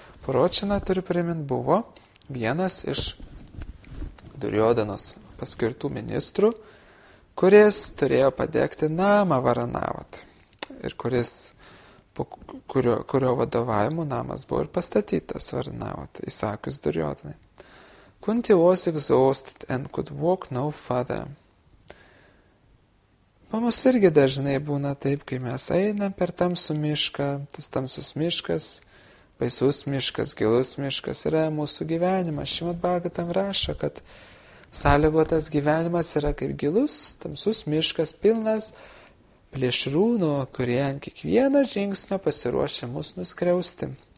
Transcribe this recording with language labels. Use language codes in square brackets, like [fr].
[lt] Purochana, turiu primint, buvo vienas iš Duryodhanos paskirtų ministrų, kuris turėjo padegti namą Varanavat. Ir kuris kurio vadovavimu namas buvo ir pastatytas, varnavot, įsakius Duryodhanai. [en] Kunti was exhausted and could walk no further. [lt] Mums irgi dažnai būna taip, kai mes einam per tamsų mišką, tas tamsus miškas, baisus miškas, gilus miškas yra mūsų gyvenimas. Šimat Bhagavatam rašo, kad sąlygotas gyvenimas yra kaip gilus, tamsus miškas, pilnas, plėšrūnų, kurie ant kiekvieno žingsnio pasiruošia mus nuskriausti.